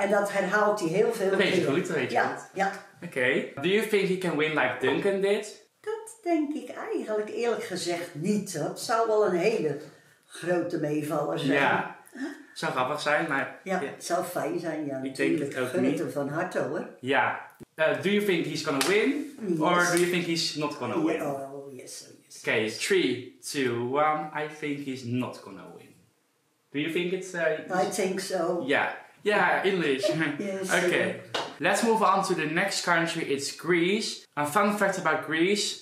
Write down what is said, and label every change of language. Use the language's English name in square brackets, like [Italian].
[Dutch] En dat herhaalt hij heel veel. Dat weet je goed, dat weet je goed. Ja. Oké. [English] Okay. Do you think he can win like Duncan did? [Dutch] Dat denk ik eigenlijk eerlijk gezegd niet. Dat zou wel een hele grote meevaller zijn. Ja, zou grappig zijn, maar... Ja, het zou fijn zijn, ja. Ik denk het ook niet. Ik gun het hem van harte, hoor. [English] Ja. Do you think he's gonna win? Or do you think he's not gonna win? Oh, yes. Oké, 3, 2, 1. I think he's not gonna win. Do you think it's... I think so. Yeah, English. Okay. Let's move on to the next country, it's Greece. A fun fact about Greece.